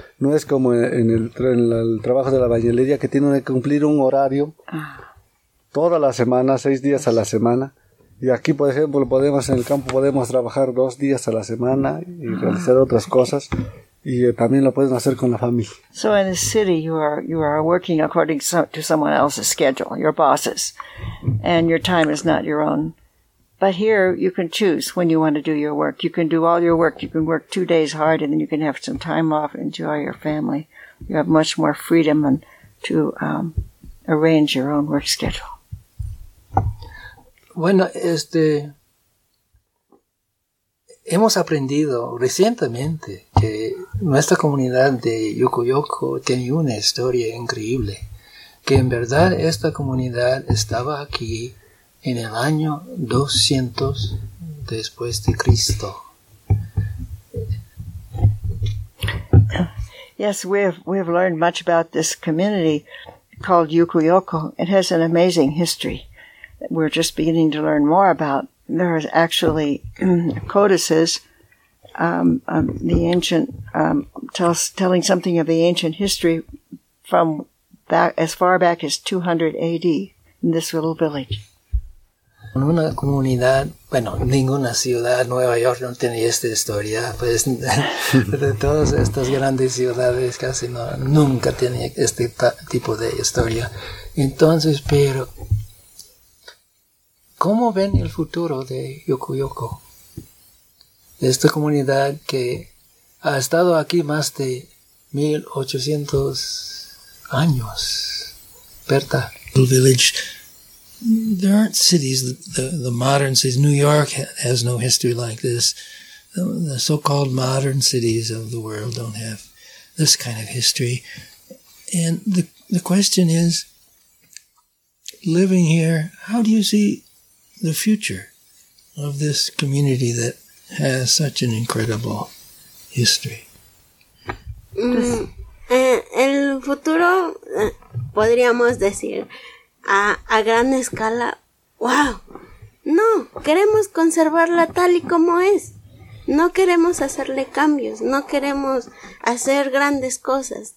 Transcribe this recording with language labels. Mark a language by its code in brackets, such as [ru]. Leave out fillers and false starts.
[es] No es como en el trabajo de la bañilería, que tiene que cumplir un horario toda la semana, 6 días a la semana. Y aquí, por ejemplo, podemos en el campo trabajar 2 días a la semana y realizar otras cosas. Y también lo pueden hacer con la familia. [en] So in the city, you are working according to someone else's schedule, your boss's. And your time is not your own. But here, you can choose when you want to do your work. You can do all your work. You can work 2 days hard, and then you can have some time off and enjoy your family. You have much more freedom to arrange your own work schedule. [es] Bueno, hemos aprendido recientemente que nuestra comunidad de Yukuyoko tiene una historia increíble, que en verdad esta comunidad estaba aquí en el año 200 después de Cristo. [en] Yes, we have learned much about this community called Yukuyoko. It has an amazing history. We're just beginning to learn more about. There are actually codices, the ancient telling something of the ancient history from back as far back as 200 A.D. in this little village. [es] Una comunidad, bueno, ninguna ciudad, Nueva York no tiene esta historia, pues de todas estas grandes ciudades casi no, nunca tiene este tipo de historia. Entonces, pero ¿cómo ven el futuro de Yukuyoko? Esta comunidad que ha estado aquí más de 1800 años. Berta. [en] Little village. There aren't cities, the modern cities. New York has no history like this. The so-called modern cities of the world don't have this kind of history. And the question is, living here, how do you see the future of this community that has such an incredible history? [es] El futuro, podríamos decir, a gran escala, wow, no, queremos conservarla tal y como es. No queremos hacerle cambios, no queremos hacer grandes cosas.